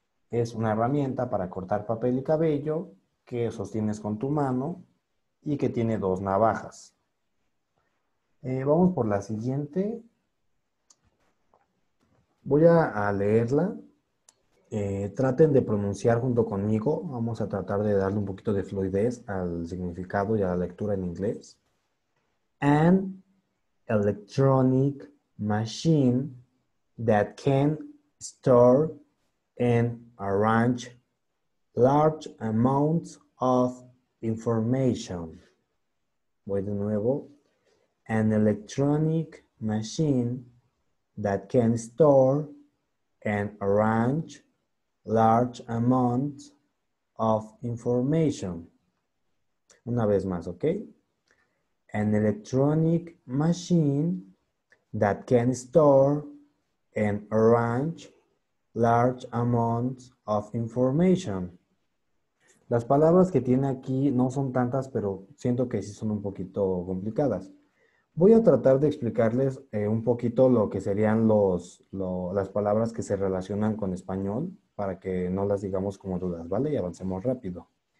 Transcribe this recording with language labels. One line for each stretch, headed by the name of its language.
Spanish: Es una herramienta para cortar papel y cabello que sostienes con tu mano y que tiene dos navajas. Vamos por la siguiente. Voy a leerla. Traten de pronunciar junto conmigo. Vamos a tratar de darle un poquito de fluidez al significado y a la lectura en inglés.
English: An electronic machine that can store and arrange large amounts of information.
Spanish: Voy de nuevo.
English: An electronic machine that can store and arrange large amounts of information.
Spanish: Una vez más, ¿ok?
English: An electronic machine that can store and arrange large amounts of information.
Spanish: Las palabras que tiene aquí no son tantas, pero siento que sí son un poquito complicadas. Voy a tratar de explicarles un poquito lo que serían las palabras que se relacionan con español para que no las digamos como dudas, ¿vale? Y avancemos rápido.